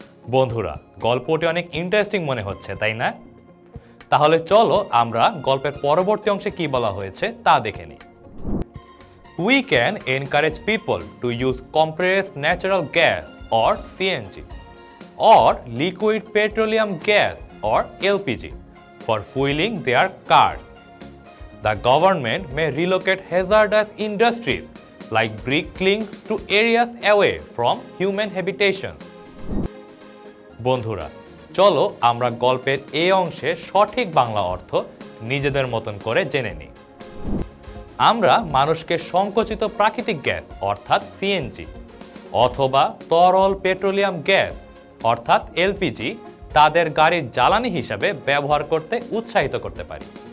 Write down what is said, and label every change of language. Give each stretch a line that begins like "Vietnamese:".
Bangla: বন্ধুরা, গল্পটি অনেক ইন্টারেস্টিং মনে হচ্ছে, তাই না? তাহলে চলো আমরা গল্পের পরবর্তী অংশে কী বলা হয়েছে তা দেখে নিই।
English: We can encourage people to use compressed natural gas or CNG or liquid petroleum gas or LPG for fueling their cars. The government may relocate hazardous industries like brick kilns to areas away from human habitations.
Bangla: বন্ধুরা, চলো আমরা গল্পের এই অংশে সঠিক বাংলা অর্থ নিজেদের মতন করে জেনে নিই। আমরা মানুষকে সংকোচিত প্রাকৃতিক গ্যাস অর্থাৎ সিএনজি অথবা তরল পেট্রোলিয়াম গ্যাস অর্থাৎ এলপিজি তাদের গাড়ির জ্বালানি হিসাবে ব্যবহার করতে উৎসাহিত করতে পারি।